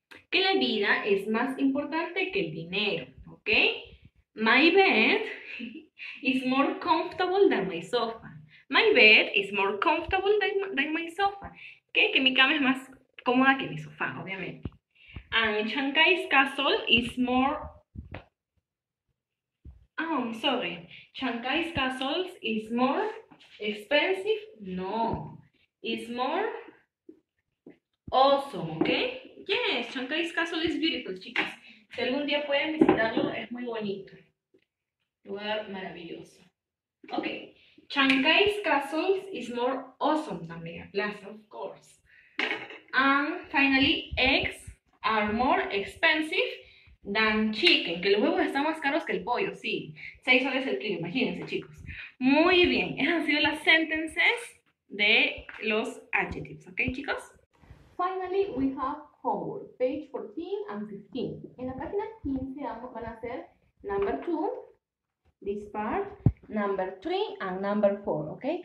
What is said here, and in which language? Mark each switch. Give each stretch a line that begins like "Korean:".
Spanish: Que la vida es más importante que el dinero.
English: Okay? My bed is more comfortable than my sofa. My bed is more comfortable than my sofa. Okay?
Spanish: Que mi cama es más cómoda que mi sofá, obviamente.
English: And Chancay's castle is more. Oh, I'm sorry. Chancay's castle is more expensive. No. It's more awesome, okay? Yes, Chancay's castle is beautiful, chicas.
Spanish: Si algún día pueden visitarlo, es muy bonito. Lugar maravilloso.
English: Okay. Chancay's castle is more awesome también. Plaza, of course. And finally, eggs are more expensive than chicken.
Spanish: Que los huevos están más caros que el pollo, sí. $6 el kilo, imagínense, chicos. Muy bien, esas han sido las sentences de los adjectives, ¿ok, chicos?
English: Finally, we have homework, page 14 and 15.
Spanish: En la página 15 ambos van a hacer
English: number 2, this part, number 3 and number 4, ¿ok?